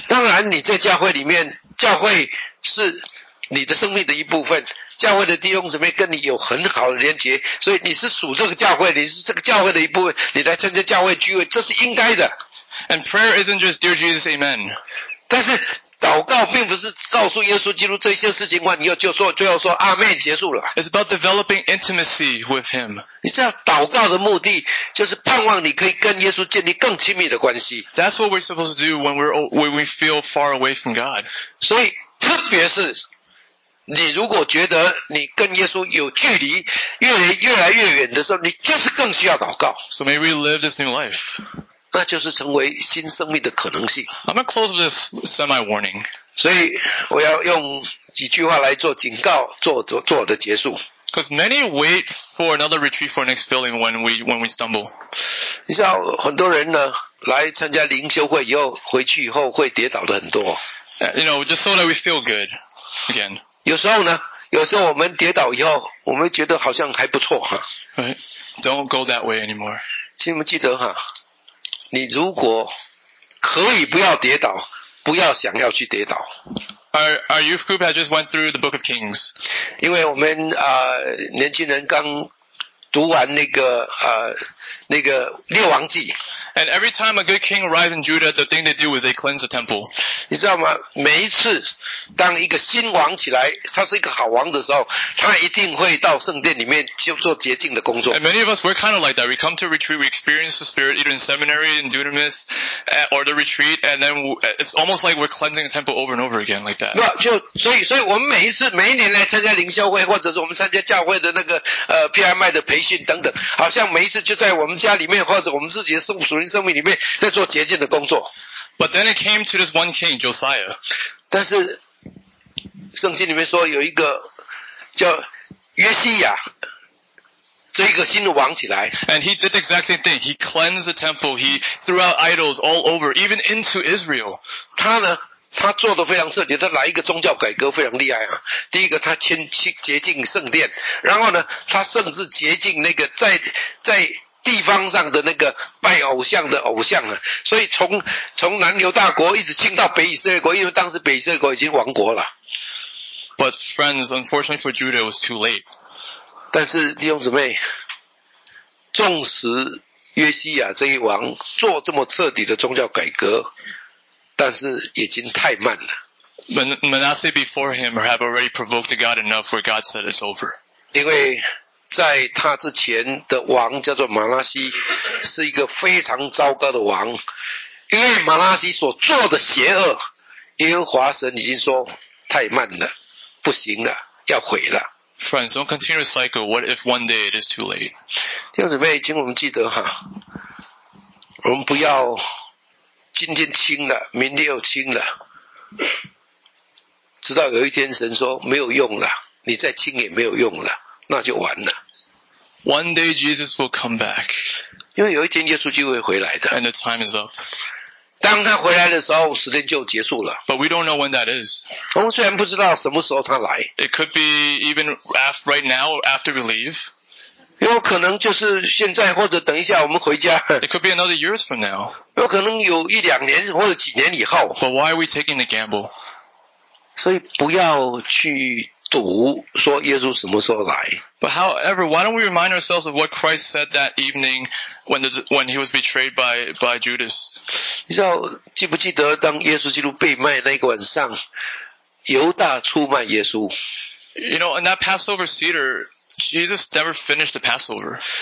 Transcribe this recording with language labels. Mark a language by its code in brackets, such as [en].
[zh] 当然你在教会里面，教会是你的生命的一部分，教会的弟兄姊妹跟你有很好的连结，所以你是属这个教会，你是这个教会的一部分，你来参加教会聚会，这是应该的。 [en] And prayer isn't just Dear Jesus, Amen. [zh] 但是祷告并不是告诉耶稣基督这些事情完，你要就说最后说阿门结束了。 [en] It's about developing intimacy with Him. [zh] 你知道祷告的目的就是盼望你可以跟耶稣建立更亲密的关系。 [en] That's what we're supposed to do when we feel far away from God. [zh] 所以特别是你如果觉得你跟耶稣有距离越来越远的时候，你就是更需要祷告。 [en] So may we live this new life. [zh] 那就是成为新生命的可能性。 [en] I'm going to close with this semi-warning. [zh] 所以我要用几句话来做警告，做的结束。 [en] Because many wait for another retreat for next filling when we stumble. [zh] 你知道很多人呢来参加灵修会以后回去以后会跌倒的很多。 [en] You know, just so that we feel good again. [zh] 有时候呢，有时候我们跌倒以后，我们觉得好像还不错哈。 [en] Right. Don't go that way anymore. [zh] 请你们记得哈，你如果可以不要跌倒，不要想要去跌倒。 [en] Our youth group has just went through the Book of Kings. [zh] 因为我们年轻人刚读完那个列王记。 [en] And every time a good king arrives in Judah, the thing they do is they cleanse the temple. [zh] 你知道吗？每一次当一个新王起来，他是一个好王的时候，他一定会到圣殿里面去做洁净的工作。 [en] And many of us we're kind of like that. We come to retreat, we experience the spirit either in seminary, in Dunamis, or the retreat, and then it's almost like we're cleansing the temple over and over again like that. [zh] 那就所以我们每一年来参加灵修会，或者是我们参加教会的那个PMI 的培训等等，好像每一次就在我们家里面或者我们自己的生活。属灵生命里面在做洁净的工作。 [en] But then it came to this one king, Josiah. [zh] 但是圣经里面说有一个叫约西亚，这一个新的王起来。 [en] And he did the exact same thing. He cleansed the temple. He threw out idols all over, even into Israel. [zh] 他呢，他做得非常彻底。他来一个宗教改革非常厉害啊。第一个，他先洁净圣殿，然后呢，他甚至洁净那个在地方上的那个拜偶像的偶像啊，所以从南犹大国一直清到北以色列国，因为当时北以色列国已经亡国了。 [en] But friends, unfortunately for Judah, it was too late. [zh] 但是弟兄姊妹，纵使约西亚这一王做这么彻底的宗教改革，但是已经太慢了。 [en] Manasseh before him have already provoked God enough where God said it's over. [zh] 因为在他之前的王叫做马拉西，是一个非常糟糕的王，因为马拉西所做的邪恶，耶和华神已经说太慢了，不行了，要毁了。 [en] Friends, don't continue the cycle. What if one day it is too late? [zh] 弟兄姊妹，请我们记得哈，我们不要今天轻了，明天又轻了，直到有一天神说没有用了，你再轻也没有用了。那就完了。 [en] One day Jesus will come back. [zh] 因为有一天耶稣就会回来的。 [en] And the time is up. [zh] 当他回来的时候，时间就结束了。 [en] But we don't know when that is. [zh] 我们虽然不知道什么时候他来。 [en] It could be even right now after we leave. [zh] 有可能就是现在或者等一下我们回家。 [en] It could be another years from now. [zh] 有可能有一两年或者几年以后。 [en] But why are we taking the gamble? [zh] 所以不要去赌说耶稣什么时候来。 [en] But however, why don't we remind ourselves of what Christ said that evening when he was betrayed by Judas? [zh] 你知道记不记得当耶稣基督被卖那个晚上，犹大出卖耶稣。 [en] You know, in that Passover Seder, Jesus never finished the Passover.